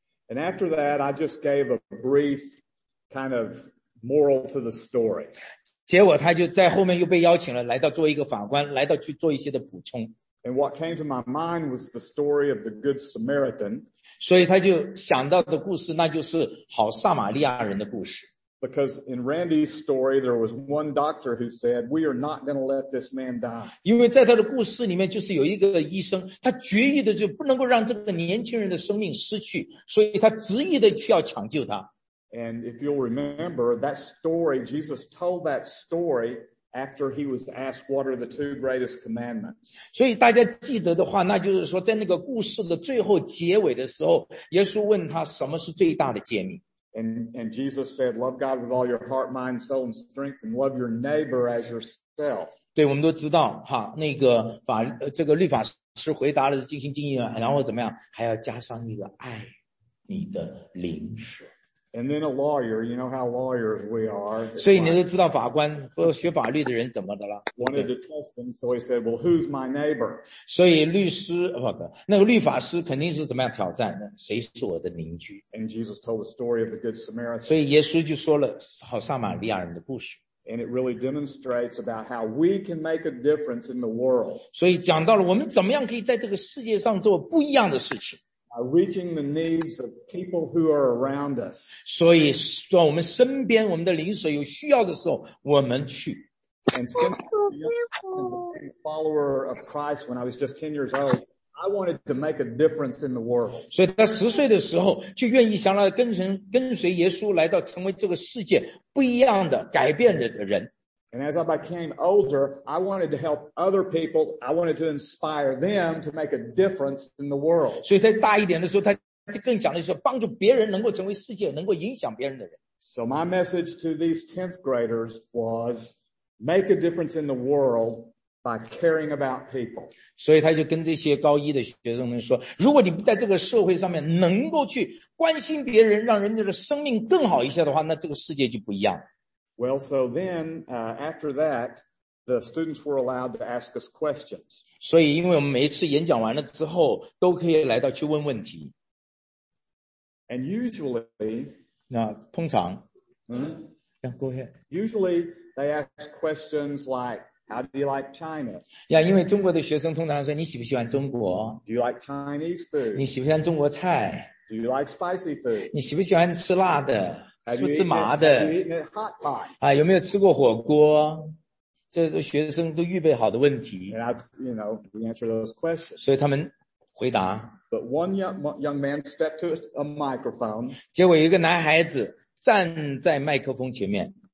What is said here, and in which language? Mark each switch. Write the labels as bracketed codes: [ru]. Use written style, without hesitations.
[en] And after that, I just gave a brief kind of moral to the story. [zh] 结果他就在后面又被邀请了来到做一个法官，来到去做一些的补充。 [en] And what came to my mind was the story of the Good Samaritan. [zh] 所以他就想到的故事，那就是好撒玛利亚人的故事。 [en] Because in Randy's story, there was one doctor who said, we are not going to let this man die. [zh] 因为在他的故事里面就是有一个医生，他决意的就不能够让这个年轻人的生命失去，所以他执意的去要抢救他。 [en] And if you'll remember, that story, Jesus told that story after he was asked, what are the two greatest commandments? [zh] 所以大家记得的话，那就是说在那个故事的最后结尾的时候，耶稣问他什么是最大的诫命。 [en] And Jesus said, love God with all your heart, mind, soul, and strength, and love your neighbor as yourself. [zh] 对，我们都知道，哈，那个法，这个律法师回答了尽心尽意了，然后怎么样，还要加上一个爱你的邻舍。 [en] And then a lawyer, you know how lawyers we are. [zh] 所以你都知道法官和学法律的人怎么的了。 [en] Wanted to test him, so he said, well, who's my neighbor? [zh] 所以律师，那个律法师肯定是怎么样挑战的，谁是我的邻居。 [en] And Jesus told the story of the Good Samaritan. [zh] 所以耶稣就说了好撒玛利亚人的故事。 [en] And it really demonstrates about how we can make a difference in the world. [zh] 所以讲到了我们怎么样可以在这个世界上做不一样的事情。 [en] Reaching the needs of people who are around us. [zh] 所以说我们身边我们的邻舍有需要的时候我们去。 [en] And since I was a follower of Christ when I was just 10 years old, I wanted to make a difference in the world. [zh] 所以他十岁的时候就愿意想来跟随耶稣来到成为这个世界不一样的改变的人。 [en] And as I became older, I wanted to help other people. I wanted to inspire them to make a difference in the world. [zh] 所以在大一点的时候，他更想的是帮助别人能够成为世界，能够影响别人的人。 [en] So my message to these 10th graders was, make a difference in the world by caring about people. [zh] 所以他就跟这些高一的学生们说，如果你不在这个社会上面能够去关心别人，让人家的生命更好一些的话，那这个世界就不一样。 [en] Well, so then, after that, the students were allowed to ask us questions. [zh] 所以因为我们每一次演讲完了之后都可以来到去问问题。 [en] And usually, [zh] 那通常 mm-hmm. [en] yeah, go ahead. Usually, they ask questions like, How do you like China? [zh] Yeah, 因为中国的学生通常说你喜不喜欢中国? [en] Do you like Chinese food? [zh] 你喜不喜欢中国菜? [en] Do you like spicy food? [zh] 你喜不喜欢吃辣的? [en] Have you eaten, 麻的? Have you eaten hot pot? [zh] 啊，有没有吃过火锅? 这是学生都预备好的问题。 [en] And you know, we answer those questions. [zh] 所以他们回答。 [en] But one young man stepped to a microphone. [zh] 结果一个男孩子站在麦克风前面。